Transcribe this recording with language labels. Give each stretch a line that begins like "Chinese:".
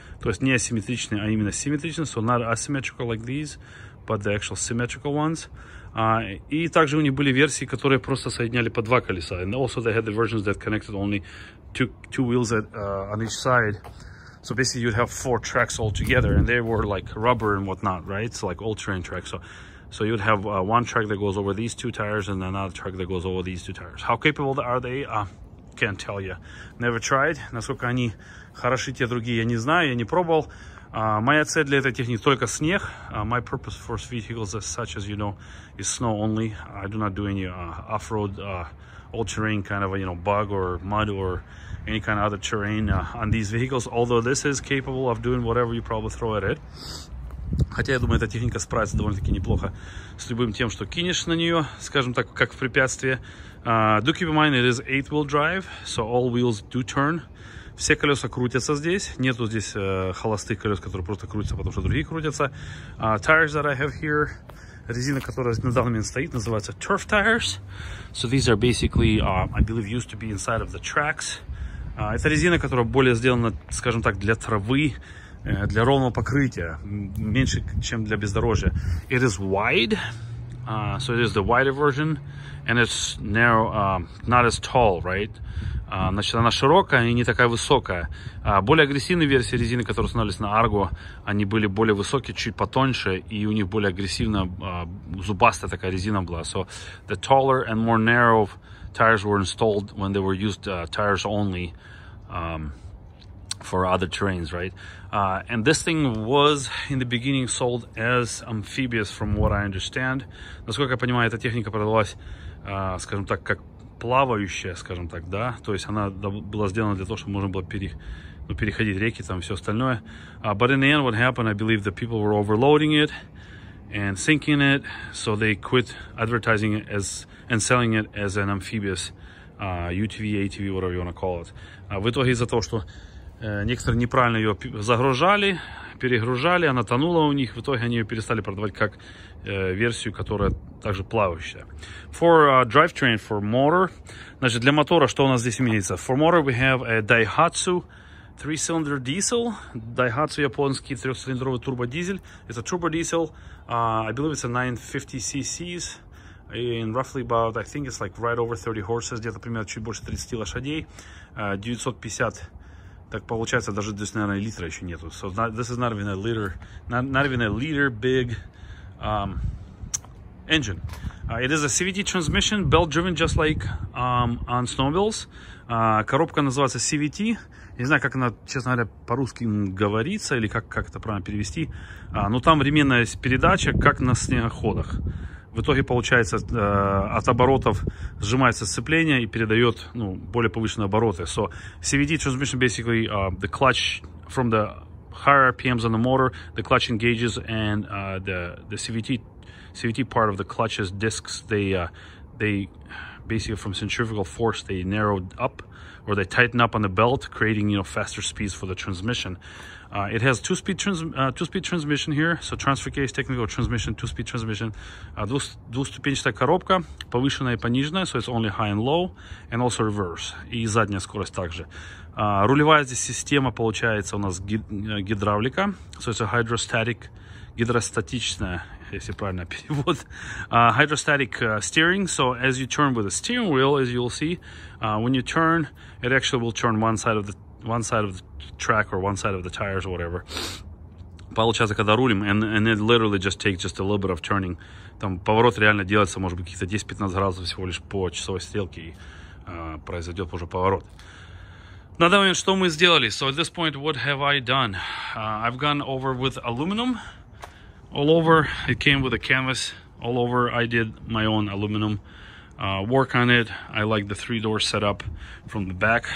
Russian: То есть не асимметричные, а именно симметричные.
English: So not asymmetrical like these, but the actual symmetrical ones.
Russian: И также у них были версии, которые просто соединяли по два колеса.
English: And also they had the versions that connected only two wheels on each side. So basically you'd have four tracks all together and they were like rubber and whatnot, right? It's like all-terrain tracks. So you'd have one track that goes over these two tires and another track that goes over these two tires. How capable are they? Can't tell you. Never tried.
Russian: Насколько они хороши, те другие, я не знаю, я не пробовал. Моя цель для этой техники только снег.
English: My purpose for vehicles as such, as you know, is snow only. I do not do any off-road all-terrain kind of, you know, bug or mud or any kind of other terrain on these vehicles, although this is capable of doing whatever you probably throw at it.
Russian: Хотя я думаю, эта техника справится довольно-таки неплохо с любым тем, что кинешь на нее, скажем так, как в препятствие.
English: Do keep in mind, it is 8-wheel drive, so all wheels do turn.
Russian: Все колеса крутятся здесь. Нету здесь холостых колес, которые просто крутятся, потому что другие крутятся.
English: Tires that I have here.
Russian: Резина, которая на данный момент стоит, называется turf tires.
English: So these are basically, I believe, used to be inside of the tracks.
Russian: Это резина, которая более сделана, скажем так, для травы, для ровного покрытия, меньше, чем для бездорожья.
English: It is wide, so it is the wider version, and it's narrow, not as tall, right?
Russian: Значит, она широкая и не такая высокая. Более агрессивные версии резины, которые устанавливались на Argo, они были более высокие, чуть потоньше, и у них более агрессивная, зубастая такая резина была.
English: So the taller and more narrow tires were installed when they were used tires only for other terrains, right? And this thing was in the beginning sold as amphibious, from what I understand.
Russian: Насколько я понимаю, эта техника продавалась, скажем так, как плавающая, скажем так, да, то есть она была сделана для того, чтобы можно было переходить реки, там все остальное.
English: But in the end, what happened, I believe the people were overloading it and sinking it, so they quit advertising it as and selling it as an amphibious UTV, ATV, whatever you want to call it.
Russian: В итоге из-за того, что некоторые неправильно ее загружали, перегружали, она тонула у них, в итоге они ее перестали продавать как версию, которая также плавающая.
English: For drivetrain, for motor,
Russian: значит, для мотора, что у нас здесь имеется?
English: For motor, we have a Daihatsu 3-cylinder diesel,
Russian: Daihatsu японский 3-цилиндровый турбодизель,
English: it's a turbodiesel, I believe it's a 950cc's, in roughly about, I think it's like right over 30 horses,
Russian: где-то примерно чуть больше 30 лошадей, 950, так получается, даже здесь, наверное, литра еще нету.
English: So not, this is not even a liter, not even a liter big engine. It is a CVT transmission, belt-driven, just like on snowmobiles.
Russian: Коробка называется CVT. Не знаю, как она, честно говоря, по-русски говорится, или как это правильно перевести. Но там временная передача, как на снегоходах. В итоге получается, от оборотов сжимается сцепление и передает, ну, более повышенные обороты.
English: So CVT transmission basically the clutch from the higher RPMs on the motor, the clutch engages, and the CVT part of the clutch's discs, they basically from centrifugal force they narrow up or they tighten up on the belt, creating, you know, faster speeds for the transmission. It has two-speed transmission here, so transfer case, technical transmission, two-speed transmission.
Russian: Двуступенчатая коробка, повышенная и пониженная,
English: so it's only high and low, and also reverse.
Russian: И задняя скорость также. Рулевая здесь система получается у нас гидравлика,
English: so it's a hydrostatic,
Russian: гидростатичная, если правильно перевод.
English: Hydrostatic steering, so as you turn with a steering wheel, as you'll see, when you turn, it actually will turn one side of the track or one side of the tires or whatever.
Russian: Получается, когда рулим,
English: and it literally just takes just a little bit of turning.
Russian: Там поворот реально делается, может быть, каких-то 10-15 градусов всего лишь по часовой стрелке, и произойдет уже поворот. На данный момент, что мы сделали?
English: So at this point, what have I done? I've gone over with aluminum all over. It came with a canvas all over. I did my own aluminum work on it. I like the three-door setup from the back.